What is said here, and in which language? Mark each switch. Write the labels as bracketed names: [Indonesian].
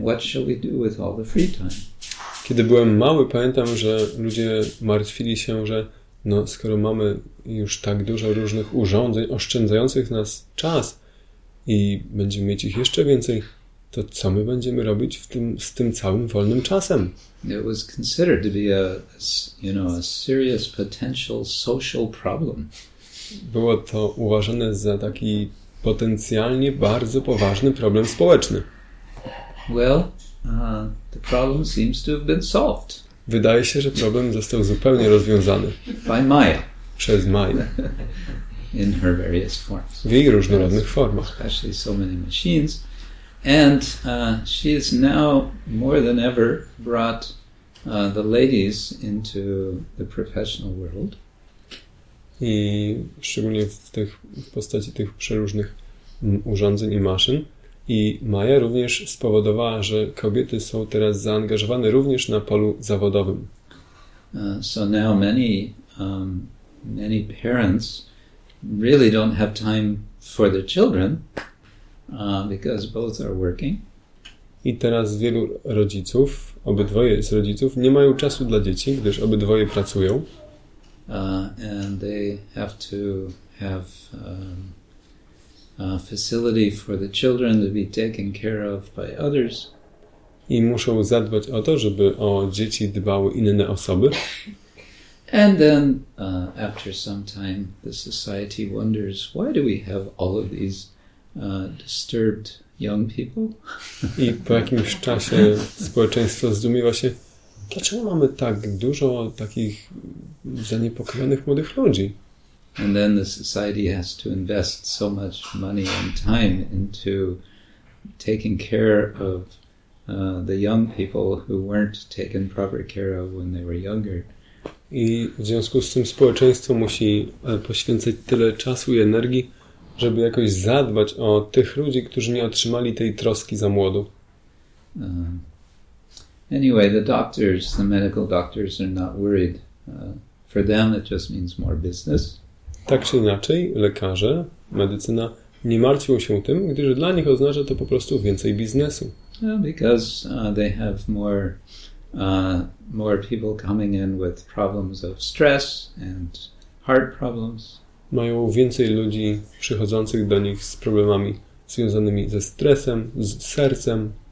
[English] What shall we do with all the free time? [Polish] Kiedy byłem mały, pamiętam, że ludzie martwili się, że no skoro mamy już tak dużo różnych urządzeń oszczędzających nas czas I będziemy mieć ich jeszcze więcej, to co my będziemy robić z tym całym wolnym czasem? [English] It was considered to be a serious potential social problem. [Polish] Było to uważane za taki potencjalnie bardzo poważny problem społeczny. [English] Well, the problem seems to have been solved. [Polish] Wydaje się, że problem został zupełnie rozwiązany. [English] By Maya. [Polish] Przez Maya. [English] In her various forms. [Polish] W jej różnorodnych formach. [English] Especially so many machines. And she is now more than ever brought the ladies into the professional world. [Polish] I szczególnie w postaci tych przeróżnych urządzeń I maszyn, I Maja również spowodowała, że kobiety są teraz zaangażowane również na polu zawodowym. [English] So now many many parents really don't have time for their children because both are working. [Polish] I teraz wielu rodziców, obydwoje z rodziców, nie mają czasu dla dzieci, gdyż obydwoje pracują. [English] And they have to have a facility for the children to be taken care of by others. [Polish] I muszą zadbać o to, żeby o dzieci dbały inne osoby. [English] And then, after some time, the society wonders, why do we have all of these disturbed young people? [Polish] I po jakimś czasie społeczeństwo zdumiewa się, dlaczego mamy tak dużo takich zaniepokojonych młodych ludzi? [English] And then the society has to invest so much money and time into taking care of the young people who weren't taken proper care of when they were younger. [Polish] I w związku z tym społeczeństwo musi poświęcać tyle czasu i energii, żeby jakoś zadbać o tych ludzi, którzy nie otrzymali tej troski za młodu. [English] Anyway, the doctors, the medical doctors are not worried. For them it just means more business. [Polish] Tak czy inaczej, lekarze, medycyna nie martwią się tym, gdyż dla nich oznacza to po prostu więcej biznesu. [English] Because they have more people coming in with problems of stress and heart problems. [Polish] Mają więcej ludzi przychodzących do nich z problemami związanymi ze stresem, z sercem.